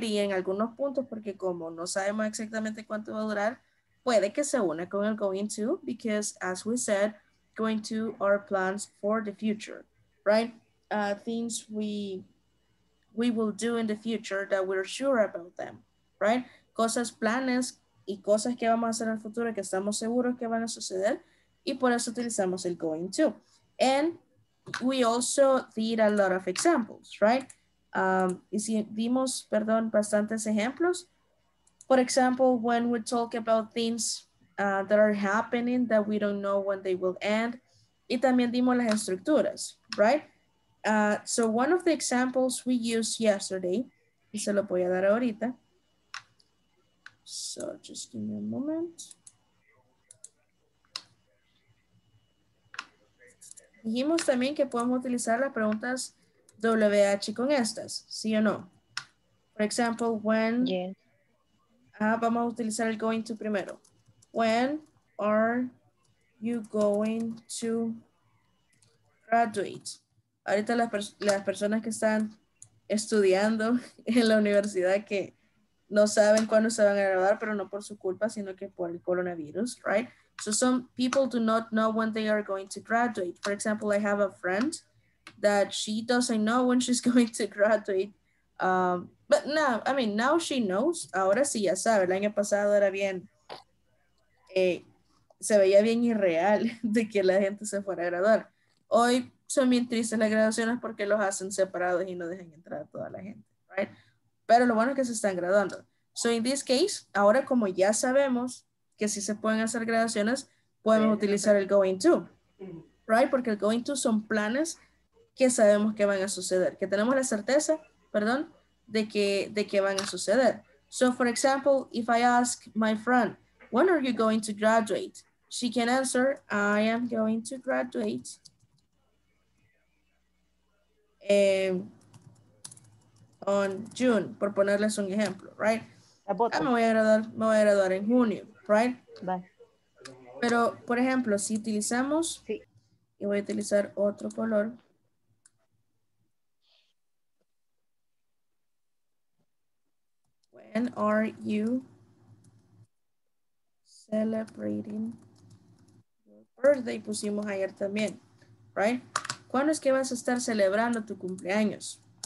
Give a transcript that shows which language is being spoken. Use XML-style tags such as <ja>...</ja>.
<es>Y en algunos puntos, porque como no sabemos exactamente cuánto va a durar, puede que se una con el going to,</es> <en>because as we said, going to are plans for the future, right? Things we will do in the future that we're sure about them, right?</en> <es>Cosas, planes y cosas que vamos a hacer en el futuro que estamos seguros que van a suceder y por eso utilizamos el going to.</es> <en>And we also did a lot of examples, right?</en> <es>Y si dimos, perdón, bastantes ejemplos.</es> <en>For example, when we talk about things that are happening that we don't know when they will end.</en> <es>Y también dimos las estructuras,</es> <en>right? So one of the examples we used yesterday,</en> <es>y se lo voy a dar ahorita.</es> <en>So just give me a moment.</en> <es>Dijimos también que podemos utilizar las preguntas WH con estas, ¿sí o no?</es> <en>For example, when. Yeah.</en> <es>Vamos a utilizar el going to primero.</es> <en>When are you going to graduate?</en> <es>Ahorita las personas que están estudiando en la universidad que no saben cuándo se van a graduar, pero no por su culpa, sino que por el coronavirus,</es> <en>right? So some people do not know when they are going to graduate. For example, I have a friend that she doesn't know when she's going to graduate. But now, I mean, now she knows.</en> <es>Ahora sí, ya sabe. El año pasado era bien, se veía bien irreal de que la gente se fuera a graduar. Hoy son bien tristes las graduaciones porque los hacen separados y no dejan entrar a toda la gente,</es> <en>right?</en> <es>Pero lo bueno es que se están graduando.</es> <en>So in this case,</en> <es>ahora como ya sabemos que sí se pueden hacer graduaciones, podemos utilizar el going to,</es> <en>right?</en> <es>Porque el going to son planes que sabemos que van a suceder, que tenemos la certeza, perdón, de que van a suceder.</es> <en>So for example, if I ask my friend, when are you going to graduate? She can answer, I am going to graduate. On June,</en> <es>por ponerles un ejemplo,</es> <en>right?</en> <es>Me voy a graduar en junio, right?</es> <en>Bye.</en> <es>Pero, por ejemplo, si utilizamos, sí. Y voy a utilizar otro color.</es> <en>When are you celebrating your birthday?</en> <es>Pusimos ayer también,</es> <en>right?</en> <es>¿Cuándo es que vas a estar celebrando tu cumpleaños?</es>